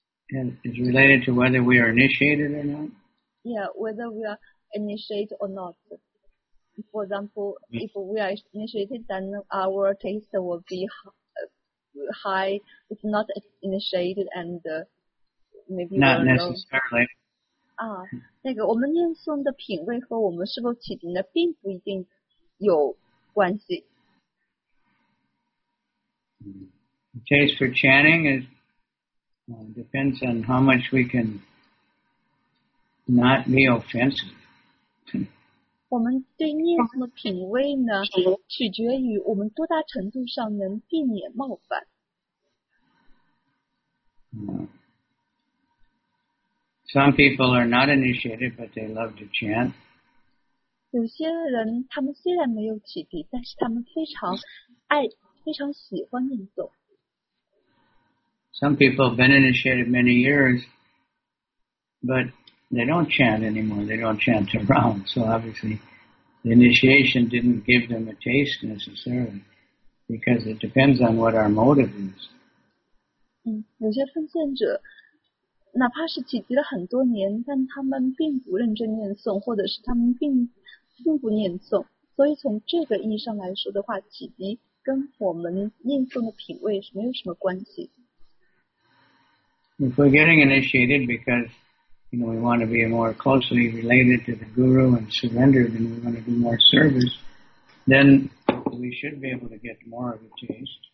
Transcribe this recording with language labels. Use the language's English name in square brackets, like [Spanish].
[English] And is related to whether we are initiated or not? Yeah, whether we are initiated or not. For example, if we are initiated, then our taste will be high, if not initiated, and maybe not necessarily. [Chinese] 啊，那个我们念诵的品味和我们是否起敬的并不一定有关系。 [English] The taste for chanting is depends on how much we can not be offensive. [Chinese] 我们对念诵的品味呢，取决于我们多大程度上能避免冒犯。 [English] Some people are not initiated, but they love to chant. [Chinese] 有些人他们虽然没有启迪，但是他们非常爱，非常喜欢念诵。 [English] Some people have been initiated many years, but they don't chant anymore. They don't chant around. So obviously, the initiation didn't give them a taste necessarily, because it depends on what our motive is. [Chinese] 有些奉献者哪怕是启迪了很多年，但他们并不认真念诵，或者是他们并不念诵，所以从这个意义上来说的话，启迪跟我们念诵的品味是没有什么关系。 [English] If we're getting initiated because, you know, we want to be more closely related to the guru and surrender, then we want to do more service, then we should be able to get more of a taste.